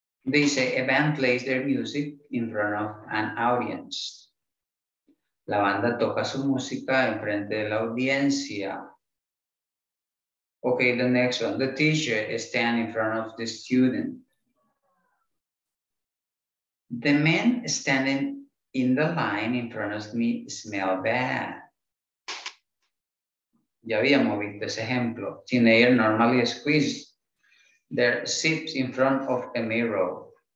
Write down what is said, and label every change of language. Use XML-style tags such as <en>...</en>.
<en>They say a band plays their music in front of an audience.</en> <es>La banda toca su música en frente de la audiencia.</es> <en>Okay, the next one. The teacher stands in front of the student. The man standing in the line in front of me smell bad.</en> <es>Ya habíamos visto ese ejemplo.</es> <en>Teenager normally squeeze their sips in front of a mirror.</en>